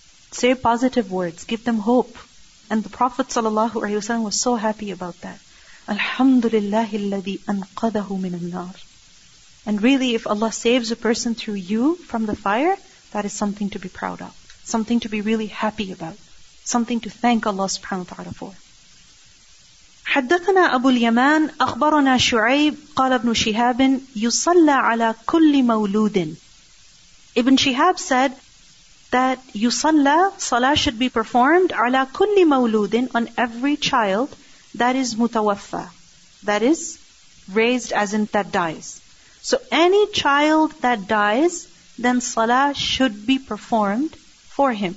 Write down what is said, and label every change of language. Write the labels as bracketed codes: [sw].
[en] Say positive words, give them hope. And the Prophet ﷺ was so happy about that. [ar] Alhamdulillahi alladhi anqadahu min an-nar. [en] And really, if Allah saves a person through you from the fire, that is something to be proud of. Something to be really happy about. Something to thank Allah subhanahu wa ta'ala for. [ar] حدثنا أبو اليمان أخبرنا شعيب قال ابن شهاب يصلى على كل مولود. [en] Ibn Shihab said that يصلى, salah should be performed [ar] على كل مولود, [en] on every child that is متوفى, that is raised as in that dies. So any child that dies, then salah should be performed for him.